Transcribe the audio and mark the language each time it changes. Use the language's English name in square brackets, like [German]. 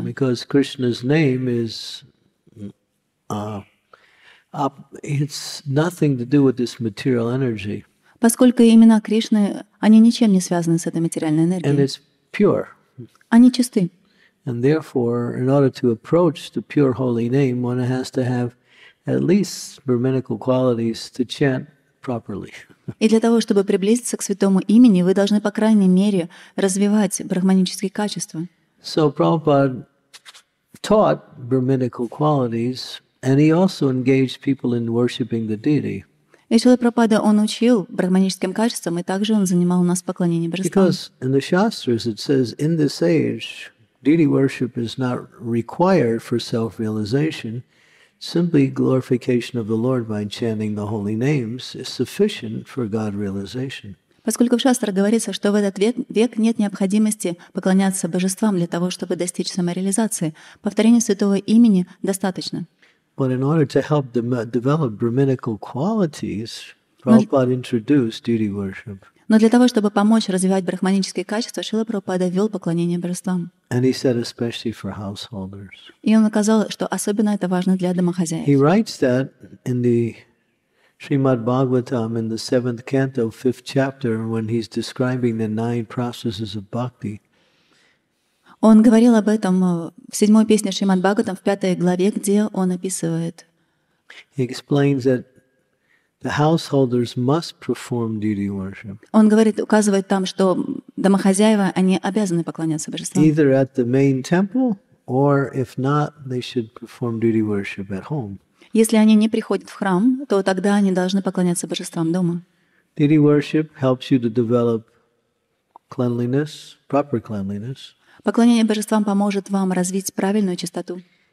[English] Because Krishna's name is it's nothing to do with this material energy. [Russian] Поскольку имена Кришны, они ничем не связаны с этой материальной энергией. [English] And it's pure. [Russian] Они чисты. [English] And therefore, in order to approach the pure holy name, one has to have at least brahminical qualities to chant properly. [Russian] И для того, чтобы приблизиться к святому имени, вы должны по крайней мере развивать брахманические качества. [English] So Prabhupada taught brahminical qualities, and he also engaged people in worshiping the deity. [Russian] И Шрила Прабхупада он учил брахманическим качествам, и также он занимал нас поклонением божествам. [English] Because in the shastras it says in this age, deity worship is not required for self-realization. Simply glorification of the Lord by chanting the holy names is sufficient for God realization. [Russian] Поскольку в шастрах говорится, что в этот век нет необходимости поклоняться божествам для того, чтобы достичь самореализации, повторение святого имени достаточно. [English] But in order to help develop brahminical qualities, Prabhupada introduced deity worship. [Russian] Но для того, чтобы помочь развивать брахманические качества, Шрила Прабхупада ввел поклонение божествам. [English] And he said especially for householders. [Russian] И он указал, что особенно это важно для домохозяев. [English] He writes that in the Srimad Bhagavatam in the 7th canto, 5th chapter, when he's describing the 9 processes of bhakti. [Russian] Он говорил об этом в 7-й песне Шримад Бхагаватам, в 5-й главе, где он описывает. [English] He explains that the householders must perform deity worship. [Russian] Он говорит, указывает там, что домохозяева, они обязаны поклоняться божествам. [English] Either at the main temple, or if not, they should perform deity worship at home. [Russian] Если они не приходят в храм, то тогда они должны поклоняться божествам дома. [English] Deity worship helps you to develop cleanliness, proper cleanliness. [Russian] Поклонение божествам поможет вам развить правильную чистоту.